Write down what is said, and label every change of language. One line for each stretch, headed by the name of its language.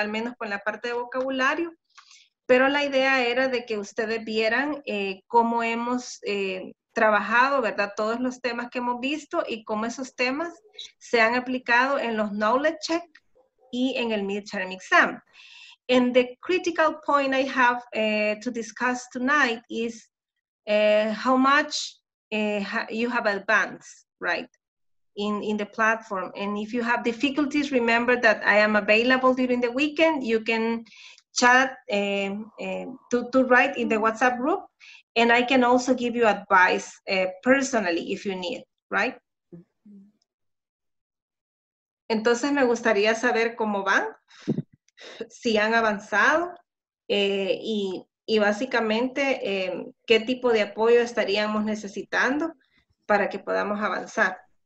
Spanish: Al menos con la parte de vocabulario. Pero la idea era de que ustedes vieran cómo hemos trabajado, ¿verdad? Todos los temas que hemos visto y cómo esos temas se han aplicado en los knowledge check y en el midterm exam.
English: And the critical point I have to discuss tonight is how much you have advanced, right? In the platform. And if you have difficulties, remember that I am available during the weekend. You can chat to write in the WhatsApp group, and I can also give you advice personally if you need, right?
Spanish: Entonces me gustaría saber cómo van, si han avanzado, y básicamente qué tipo de apoyo estaríamos necesitando para que podamos avanzar.